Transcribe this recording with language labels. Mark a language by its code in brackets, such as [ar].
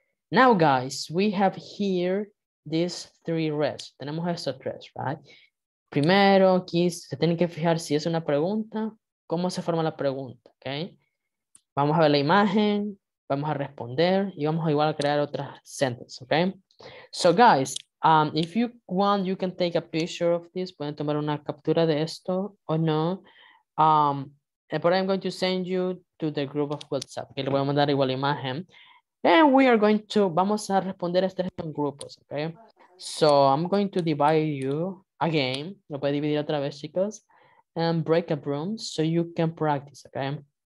[en] Now, guys, we have here these three rests. [es] Tenemos estos tres, right? Primero, aquí se tienen que fijar si es una pregunta, cómo se forma la pregunta, ¿ok? Vamos a ver la imagen, vamos a responder y vamos a igual a crear otras sentences, ¿ok? [en] So, guys, if you want, you can take a picture of this. [es] Pueden tomar una captura de esto o no. [en] But I'm going to send you to the group of WhatsApp. [es] Okay, le voy a mandar igual imagen. [en] And we are going to, [es] vamos a responder a estos grupos, okay? [en] So I'm going to divide you again. [es] Lo voy a dividir otra vez, chicos. [en] And break up rooms so you can practice, okay?